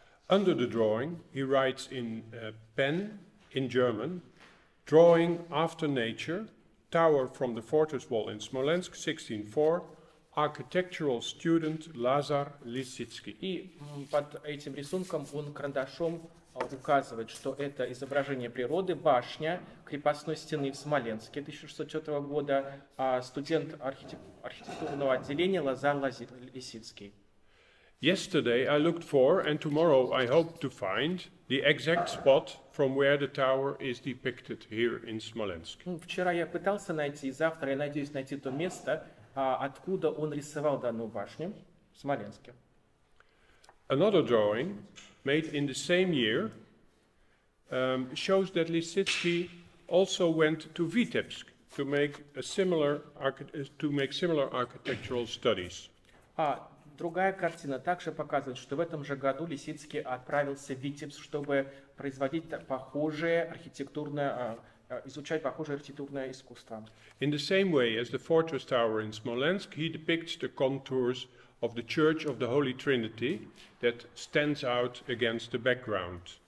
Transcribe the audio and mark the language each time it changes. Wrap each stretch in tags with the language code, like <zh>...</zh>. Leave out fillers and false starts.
<en>Under the drawing, he writes in pen, in German, drawing after nature, tower from the fortress wall in Smolensk, 1604, architectural student Lazar Lisitsky.</en> <ru>И под этим рисунком он карандашом указывает, что это изображение природы, башня крепостной стены в Смоленске 1604 года, студент архитектурного отделения Лазар Лисицкий.</ru> <en>Yesterday I looked for, and tomorrow I hope to find, the exact spot from where the tower is depicted here in Smolensk.</en> <ru>Вчера я пытался найти, завтра я надеюсь найти то место, откуда он рисовал данную башню в Смоленске.</ru> <en>Another drawing, made in the same year, shows that Лисицкий also went to Vitebsk to make a similar similar architectural studies.</en> <ru>Другая картина также показывает, что в этом же году Лисицкий отправился в Витебск, чтобы производить похожее архитектурное, изучать похожее архитектурное искусство.</ru> <en>In the same way as the fortress tower in Smolensk, he depicts the contours of the Church of the Holy Trinity that stands out against the background.</en>